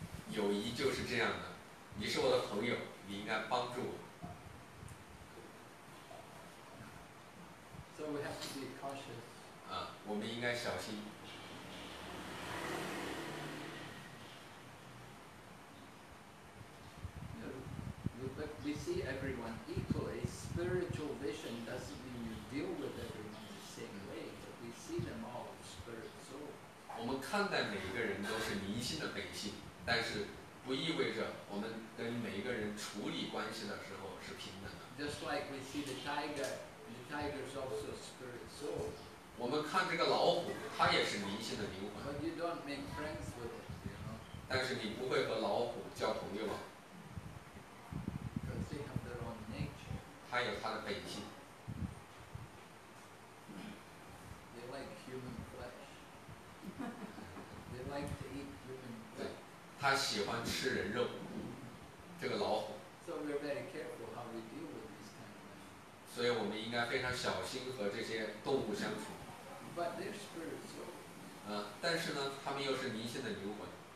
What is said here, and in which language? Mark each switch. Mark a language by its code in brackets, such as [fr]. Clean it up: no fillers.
[zh] 友谊就是这样的，你是我的朋友，你应该帮助我。 [en] So we have to be cautious. [zh] 啊，我们应该小心。 [en] But we see everyone equally. Spiritual vision doesn't mean you deal with everyone the same way, but we see them all as spirit soul. [zh] 我们看待每一个人都是灵性的本性，但是。不意味着我们跟每一个人处理关系的时候是平等的。 [en] Just like we see the tiger, the tiger is also spirit soul. [zh] 我们看这个老虎，它也是灵性的灵魂。 [en] But you don't make friends with it, you know. [zh] 但是你不会和老虎交朋友吗？ [en] Because they have their own nature. [zh] 它有它的本性。 [en] They like human flesh. They like to eat. [zh] 他喜欢吃人肉，这个老虎。 [en] So we're very careful how we deal with this kind of thing. [zh] 所以我们应该非常小心和这些动物相处。 [en] But they're spirit soul. [zh] 但是呢，他们又是灵性的灵魂。